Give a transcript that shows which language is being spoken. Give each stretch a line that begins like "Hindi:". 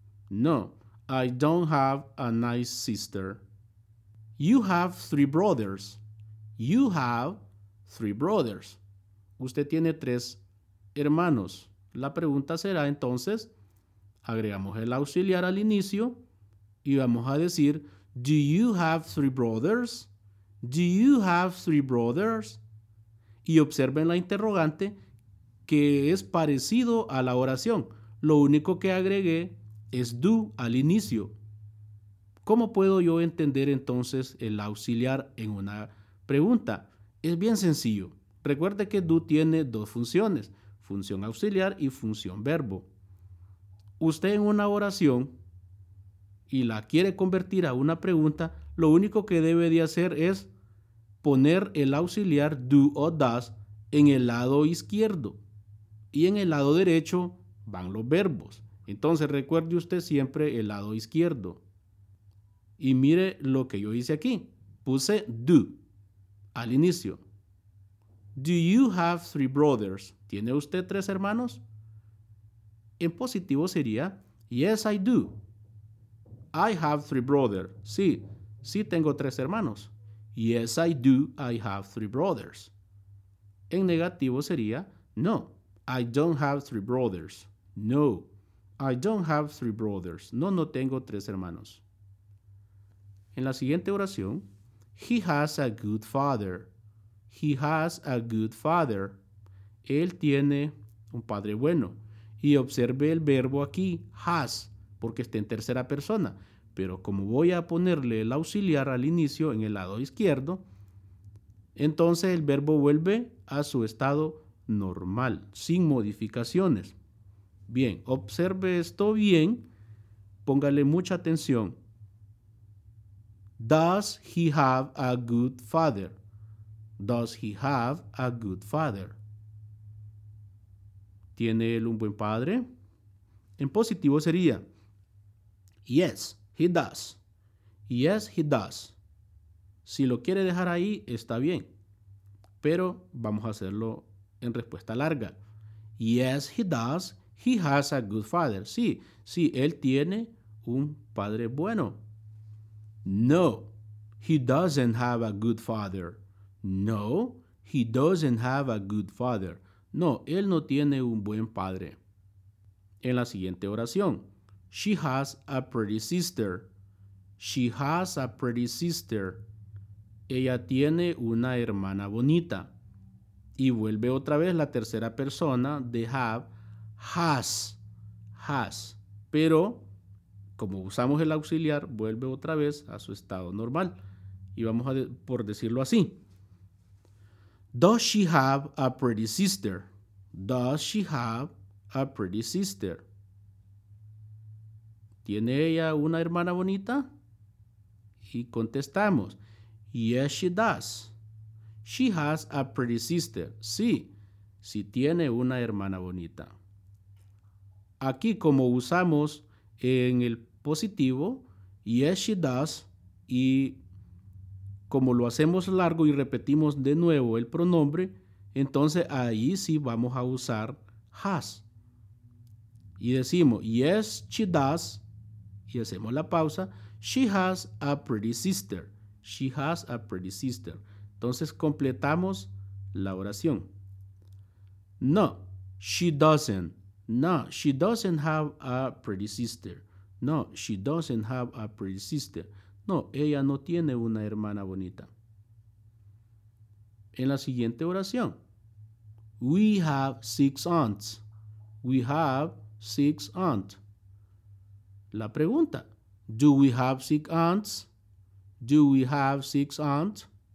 English: No, I don't have a nice sister. You have three brothers. You have three brothers.
Spanish: Usted tiene tres hermanos. La pregunta será entonces, agregamos el auxiliar al inicio y vamos a decir,
English: do you have three brothers? Do you have three brothers?
Spanish: Y observen la interrogante que es parecido a la oración. Lo único que agregué es do al inicio. ¿Cómo puedo yo entender entonces el auxiliar en una pregunta? Es bien sencillo. Recuerde que do tiene dos funciones, función auxiliar y función verbo. Usted en una oración y la quiere convertir a una pregunta, lo único que debe de hacer es poner el auxiliar do o does en el lado izquierdo y en el lado derecho van los verbos. Entonces recuerde usted siempre el lado izquierdo. Y mire lo que yo hice aquí. Puse do al inicio.
English: Do you have three brothers?
Spanish: ¿Tiene usted tres hermanos? En positivo sería,
English: yes, I do. I have three brothers.
Spanish: Sí, sí tengo tres hermanos.
English: Yes, I do. I have three brothers.
Spanish: En negativo sería,
English: no, I don't have three brothers. No, I don't have three brothers.
Spanish: No, no tengo tres hermanos. En la siguiente oración,
English: he has a good father. He has a good father.
Spanish: Él tiene un padre bueno. Y observe el verbo aquí, has, porque está en tercera persona. Pero como voy a ponerle el auxiliar al inicio en el lado izquierdo, entonces el verbo vuelve a su estado normal, sin modificaciones. Bien, observe esto bien. Póngale mucha atención.
English: Does he have a good father? Does he have a good father?
Spanish: ¿Tiene él un buen padre? En positivo sería,
English: yes, he does. Yes, he does.
Spanish: Si lo quiere dejar ahí, está bien. Pero vamos a hacerlo en respuesta larga.
English: Yes, he does. He has a good father.
Spanish: Sí, sí, él tiene un padre bueno.
English: No, he doesn't have a good father. No, he doesn't have a good father.
Spanish: No, él no tiene un buen padre. En la siguiente oración.
English: She has a pretty sister. She has a pretty sister.
Spanish: Ella tiene una hermana bonita. Y vuelve otra vez la tercera persona de have. Has. Has. Pero, como usamos el auxiliar, vuelve otra vez a su estado normal. Y vamos a por decirlo así.
English: Does she have a pretty sister? Does she have a pretty sister?
Spanish: ¿Tiene ella una hermana bonita? Y contestamos,
English: yes, she does. She has a pretty sister.
Spanish: Sí, sí tiene una hermana bonita. Aquí, como usamos en el positivo,
English: yes, she does,
Spanish: y como lo hacemos largo y repetimos de nuevo el pronombre, entonces ahí sí vamos a usar has. Y decimos,
English: yes, she does,
Spanish: y hacemos la pausa,
English: she has a pretty sister. She has a pretty sister.
Spanish: Entonces completamos la oración.
English: No, she doesn't. No, she doesn't have a pretty sister. No, she doesn't have a pretty sister.
Spanish: No, ella no tiene una hermana bonita. En la siguiente oración.
English: We have six aunts. We have six aunts.
Spanish: La pregunta.
English: Do we have six aunts? Do we have six aunts?